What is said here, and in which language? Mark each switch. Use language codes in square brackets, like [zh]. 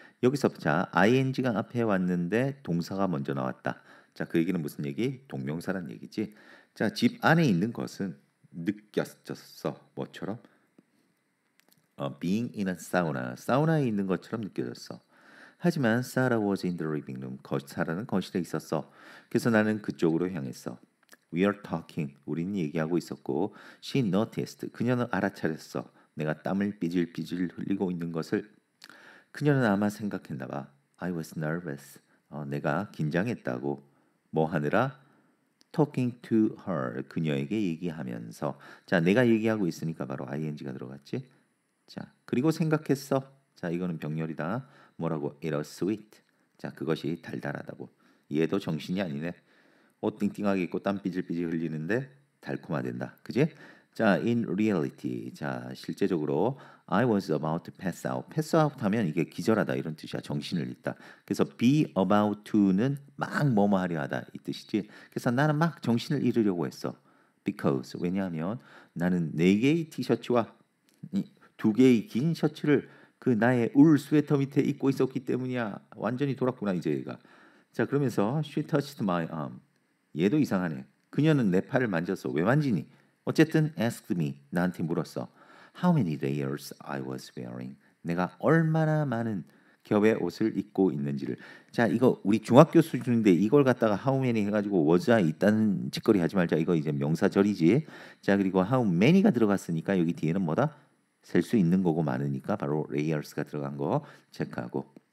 [ko] 여기서 자, ing가 앞에 왔는데 동사가 먼저 나왔다. 자, 그 얘기는 무슨 얘기? 동명사란 얘기지. 자, 집 안에 있는 것은 느꼈었어. 뭐처럼? [en] Being in a sauna. [ko] 사우나에 있는 것처럼 느껴졌어. 하지만 [en] Sarah was in the living room. [ko] 사라는 거실에 있었어. 그래서 나는 그쪽으로 향했어. [en] We are talking. [ko] 우리는 얘기하고 있었고 [en] She noticed. [ko] 그녀는 알아차렸어. 내가 땀을 삐질삐질 흘리고 있는 것을. 그녀는 아마 생각했나 봐. [en] I was nervous. [ko] 내가 긴장했다고. 뭐 하느라? [en] Talking to her. [ko] 그녀에게 얘기하면서. 자, 내가 얘기하고 있으니까 바로 ing가 들어갔지. 자, 그리고 생각했어. 자, 이거는 병렬이다. 뭐라고? [en] It was sweet. [ko] 자, 그것이 달달하다고. 얘도 정신이 아니네. 옷 띵띵하게 입고 땀 삐질삐질 흘리는데 달콤하댄다. 그지? 자, [en] in reality. [ko] 자, 실제적으로 [en] I was about to pass out. [ko] Pass out 하면 이게 기절하다 이런 뜻이야. 정신을 잃다. 그래서 be about to는 막 뭐뭐 하려 하다 이 뜻이지. 그래서 나는 막 정신을 잃으려고 했어. Because, 왜냐하면 나는 네 개의 티셔츠와 두 개의 긴 셔츠를 그 나의 울 스웨터 밑에 입고 있었기 때문이야. 완전히 돌았구나 이제 얘가. 자, 그러면서 [en] she touched my arm. [ko] 얘도 이상하네. 그녀는 내 팔을 만졌어. 왜 만지니? 어쨌든 [en] asked me. [ko] 나한테 물었어. [en] How many layers I was wearing. [ko] 내가 얼마나 많은 겹의 옷을 입고 있는지를. 자, 이거 우리 중학교 수준인데 이걸 갖다가 how many 해가지고 was I 있다는 짓거리 하지 말자. 이거 이제 명사절이지. 자, 그리고 how many가 들어갔으니까 여기 뒤에는 뭐다? 셀 수 있는 거고 많으니까 바로 layers가 들어간 거 체크하고.